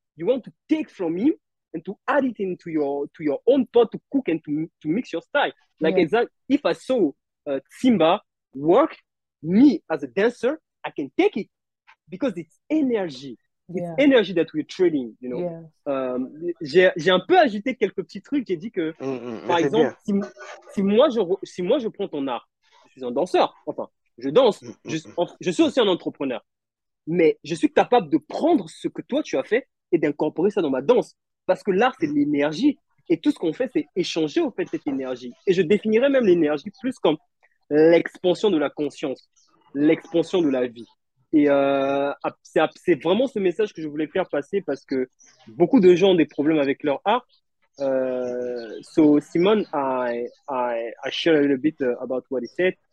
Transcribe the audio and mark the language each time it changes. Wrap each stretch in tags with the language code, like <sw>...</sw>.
<en>You want to take from him and to add it into your own pot to cook and to mix your style. Like, yeah. exactly, if I saw Tsimba work, me as a dancer, I can take it because it's energy. It's yeah. energy that we're trading, you know. Yeah.</en> <fr>J'ai un peu ajouté quelques petits trucs. J'ai dit que, par exemple, si moi je prends ton art, je suis un danseur, enfin, je danse, je suis aussi un entrepreneur, mais je suis capable de prendre ce que toi tu as fait et d'incorporer ça dans ma danse. Parce que l'art, c'est l'énergie. Et tout ce qu'on fait, c'est échanger, au fait, cette énergie. Et je définirais même l'énergie plus comme l'expansion de la conscience, l'expansion de la vie. Et c'est vraiment ce message que je voulais faire passer parce que beaucoup de gens ont des problèmes avec leur art.</fr> <en>So, Simone, I share a little bit about what he said.</en>